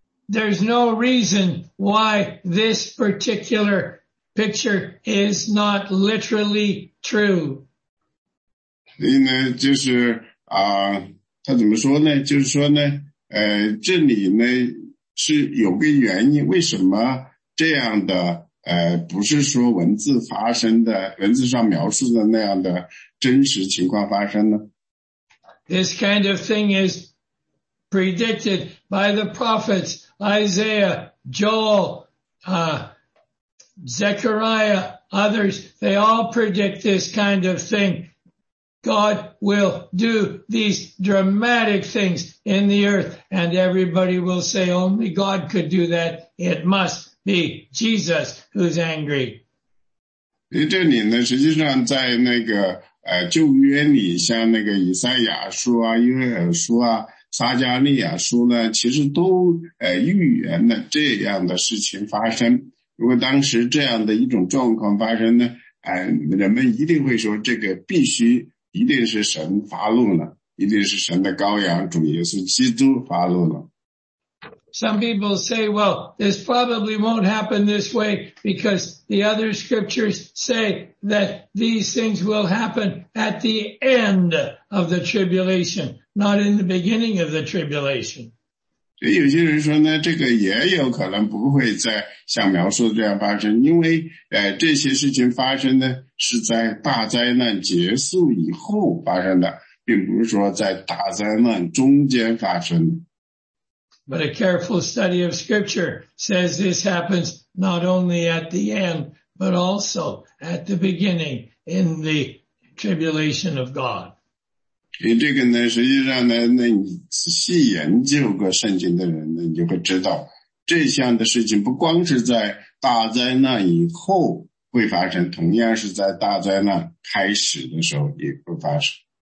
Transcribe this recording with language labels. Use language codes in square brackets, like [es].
[en] There's no reason why this particular picture is not literally true. [zh] 所以呢就是他怎么说呢，就是说呢这里呢是有个原因，为什么这样的不是说文字发生的，文字上描述的那样的真实情况发生呢？ [en] This kind of thing is predicted by the prophets. Isaiah, Joel, Zechariah, others, they all predict this kind of thing. God will do these dramatic things in the earth, and everybody will say, only God could do that. It must be Jesus who's angry. [zh] 这里呢，实际上在那个旧约里，像那个以赛亚书啊，约珥书啊，撒迦利亚书呢，其实都预言了这样的事情发生。如果当时这样的一种状况发生呢，人们一定会说这个必须一定是神发怒了，一定是神的羔羊主耶稣基督发怒了。 [en] Some people say, well, this probably won't happen this way because the other scriptures say that these things will happen at the end of the tribulation. Not in the beginning of the tribulation. [zh] 所以有些人说呢，这个也有可能不会再像描述这样发生，因为这些事情发生呢是在大灾难结束以后发生的，并不是说在大灾难中间发生的。 [en] But a careful study of scripture says this happens not only at the end, but also at the beginning in the tribulation of God. [zh] 所以这个呢实际上呢，那你仔细研究过圣经的人呢，你就会知道这项的事情不光是在大灾难以后会发生，同样是在大灾难开始的时候也会发生。